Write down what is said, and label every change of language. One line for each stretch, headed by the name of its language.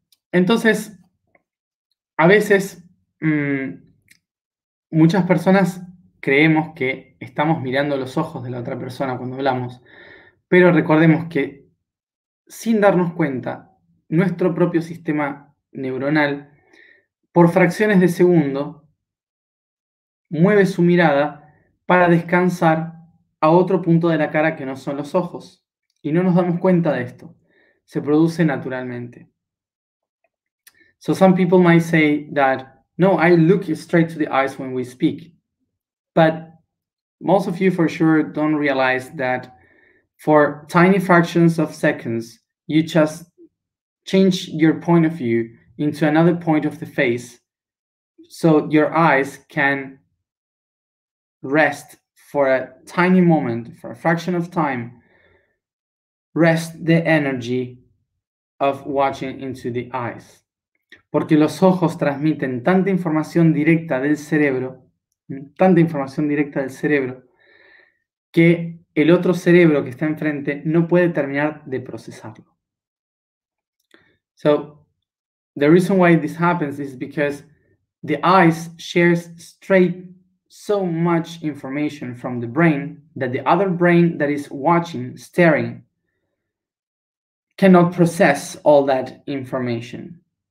Spanish: Entonces, a veces muchas personas creemos que estamos mirando los ojos de la otra persona cuando hablamos, pero recordemos que sin darnos cuenta, nuestro propio sistema neuronal, por fracciones de segundo, mueve su mirada para descansar a otro punto de la cara que no son los ojos. Y no nos damos cuenta de esto. Se produce naturalmente.
English: So some people might say that, no, I look straight to the eyes when we speak. But most of you for sure don't realize that for tiny fractions of seconds, you just change your point of view into another point of the face so your eyes can rest for a tiny moment, for a fraction of time, rest the energy of watching into the eyes.
Spanish: Porque los ojos transmiten tanta información directa del cerebro, que el otro cerebro que está enfrente no puede terminar de procesarlo.
English: So, the reason why this happens is because the eyes shares straight so much information from the brain that the other brain that is watching, staring, cannot process all that information.